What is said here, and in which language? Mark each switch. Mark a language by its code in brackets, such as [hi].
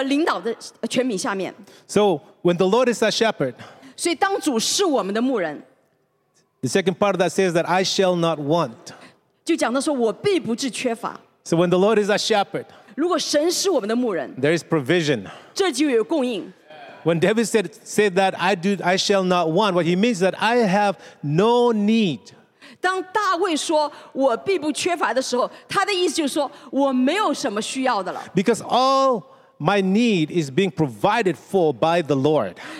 [zh] 所以当我们来接待他做我们的牧人，作为我们的主的时候呢，我们就在他的权柄下面，我们在他保护下面，在他的这个领导的权柄下面。So [en] when the Lord is our shepherd, [zh] 所以当主是我们的牧人。 [en] The second part of that says that I shall not want. [zh] 就讲到说我必不致缺乏。So [en] when the Lord is our shepherd, [zh] 如果神是我们的牧人, [en] there is provision. [zh] 这就有供应。 [en] When David said that I shall not want, what he means is that I have no need. [zh] 当大卫说我必不缺乏的时候，他的意思就是说我没有什么需要的了。Because [en] all my need is being provided for by the Lord.